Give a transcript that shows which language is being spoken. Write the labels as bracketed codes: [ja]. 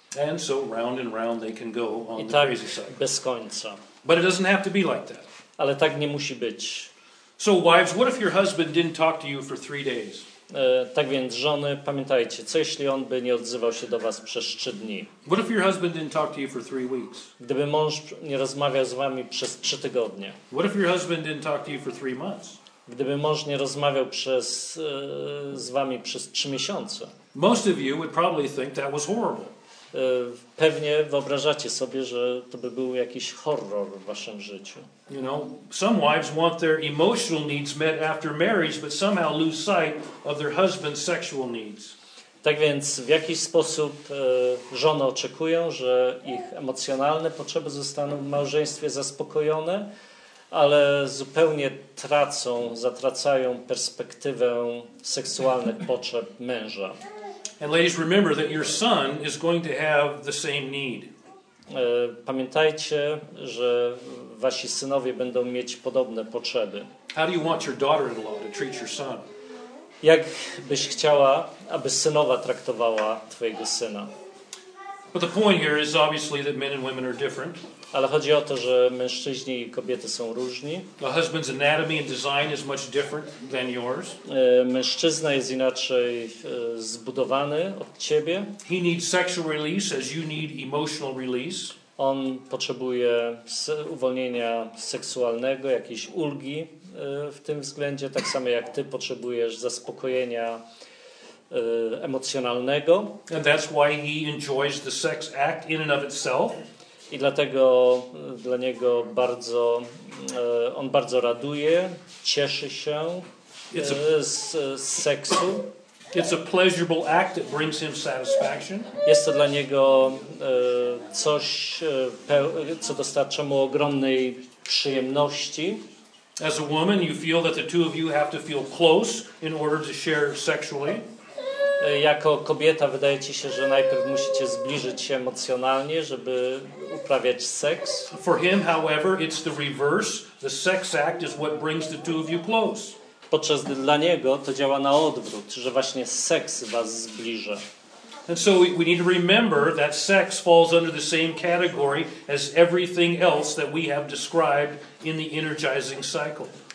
[en] And so round and round they can go on [pl] i tak [en] the crazy side. [pl] Bez końca. [en] But it doesn't have to be like that. [pl] Ale tak nie musi być. [en] So wives, what if your husband didn't talk to you for 3 days? [pl] Tak więc żony, pamiętajcie, co jeśli on by nie odzywał się do was przez 3 dni? [en] What if your husband didn't talk to you for 3 weeks? [pl] Gdyby mąż nie rozmawiał z wami przez 3 tygodnie? [en] What if your husband didn't talk to you for 3 months? [pl] Gdyby mąż nie rozmawiał przez z wami przez 3 miesiące? [en] Most of you would probably think that was horrible. [pl] Pewnie wyobrażacie sobie, że to by był jakiś horror w waszym życiu. [en] You know, some wives want their emotional needs met after marriage, but somehow lose sight of their husband's sexual needs. [pl] Tak więc w jakiś sposób żony oczekują, że ich emocjonalne potrzeby zostaną w małżeństwie zaspokojone, ale zupełnie zatracają perspektywę seksualnych potrzeb męża. [en] And ladies, remember that your son is going to have the same need. [pl] Pamiętajcie, że wasi synowie będą mieć podobne potrzeby. [en] How do you want your daughter-in-law to treat your son? [pl] Jak byś chciała, aby synowa traktowała twojego syna? [en] But the point here is obviously that men and women are different. [pl] Ale chodzi o to, że mężczyźni i kobiety są różni. [en] A husband's anatomy and design is much different than yours. [pl] Mężczyzna jest inaczej zbudowany od ciebie. [en] He needs sexual release as you need emotional release. [pl] On potrzebuje uwolnienia seksualnego, jakiejś ulgi w tym względzie, tak samo jak ty potrzebujesz zaspokojenia emocjonalnego. [en] And that's why he enjoys the sex act in and of itself. [pl] I dlatego dla niego bardzo, on bardzo raduje, cieszy się z seksu. [en] It's a pleasurable act that brings him satisfaction. [pl] Jest to dla niego coś, co dostarcza mu ogromnej przyjemności. [en] As a woman, you feel that the two of you have to feel close in order to share sexually. [pl] Jako kobieta wydaje ci się, że najpierw musicie zbliżyć się emocjonalnie, żeby uprawiać seks. [en] For him, however, it's the reverse. The sex act is what brings the two of you close. [pl] Podczas gdy dla niego to działa na odwrót, że właśnie seks was zbliża. [en] And so we need to remember that sex falls under the same category as everything else that we have described in the energizing cycle.